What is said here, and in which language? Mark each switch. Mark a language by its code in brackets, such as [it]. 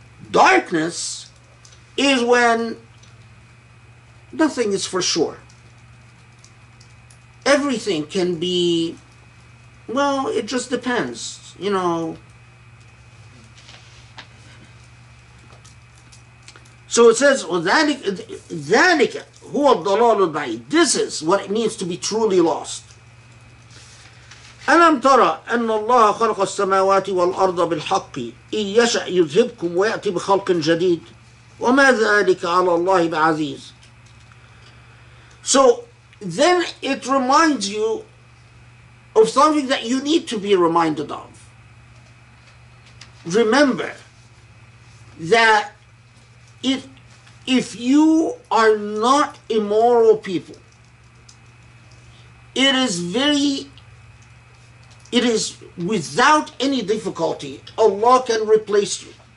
[en] Darkness is when nothing is for sure. Everything can be, well, it just depends, you know. So it says, [ar] ذلك هو الضلال البعيد. [en] This is what it means to be truly lost. [ar] ألم ترى أن الله خلق السماوات والأرض بالحق إن يشأ يذهبكم ويأتي بخلق جديد وما ذلك على الله بعزيز. [en] So then it reminds you of something that you need to be reminded of. Remember that if you are not immoral people, it is without any difficulty, Allah can replace you.